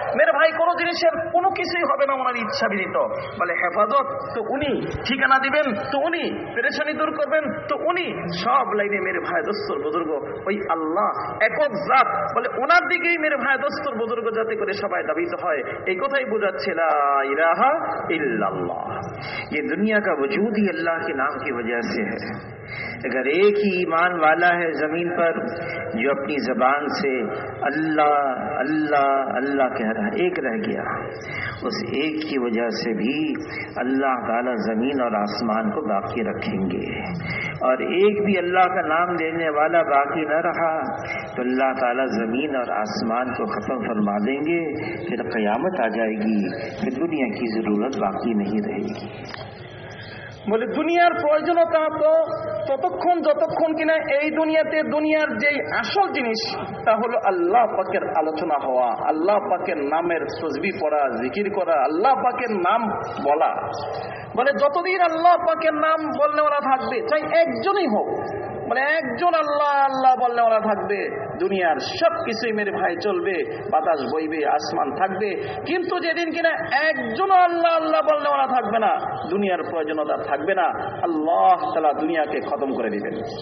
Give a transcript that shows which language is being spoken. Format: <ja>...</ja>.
<bn>মেরে ভাই কোনো জিনিসের কোনো কিছুই হবে না ওনার ইচ্ছা ব্যতীত. বলে হেফাজত তো উনি, ঠিকানা দিবেন তো উনি, পেরেশানি দূর করবেন তো উনি, সব লাইনে</bn> <ur>মেরে ভাই দস্তুর বুজুর্গ</ur> <bn>ওই আল্লাহ একক জাত. বলে ওনার দিকেই</bn> <ur>মেরে ভাই দস্তুর বুজুর্গ</ur> <bn>যাতে করে সবাই দাবিত হয়, এই কথাই বোঝাচ্ছে লা ইলাহা ইল্লাল্লাহ.</bn> <ur>এই দুনিয়া কা বজুদ হি আল্লাহ কে নাম কি ওয়াজহ সে হ্যায়. اگر ایک ہی ایمان والا ہے زمین پر جو اپنی زبان سے اللہ اللہ اللہ کہہ رہا ہے, ایک رہ گیا, اس ایک کی وجہ سے بھی اللہ تعالیٰ زمین اور آسمان کو باقی رکھیں گے, اور ایک بھی اللہ کا نام لینے والا باقی نہ رہا تو اللہ تعالیٰ زمین اور آسمان کو ختم فرما دیں گے, پھر قیامت آ جائے گی, پھر دنیا کی ضرورت باقی نہیں رہے گی.</ur> <bn>বলে দুনিয়ার প্রয়োজনতা তো ততক্ষণ যতক্ষণ কিনা এই দুনিয়াতে দুনিয়ার যেই আসল জিনিস তা হলো আল্লাহ পাকের আলোচনা হওয়া, আল্লাহ পাকের নামের তসবিহ পড়া, জিকির করা, আল্লাহ পাকের নাম বলা. বলে যতদিন আল্লাহ পাকের নাম বললে ওরা থাকবে, চাই একজনই হোক, মানে একজন আল্লাহ আল্লাহ বললে ওরা থাকবে, দুনিয়ার সব কিছুই</bn> <ur>মেরে ভাই</ur> <bn>চলবে, বাতাস বইবে, আসমান থাকবে, কিন্তু যেদিন কিনা একজন আল্লাহ আল্লাহ বললে ওরা থাকবে না, দুনিয়ার প্রয়োজনতা থাকবে না, আল্লাহ তাআলা দুনিয়াকে খতম করে দিবেন.</bn>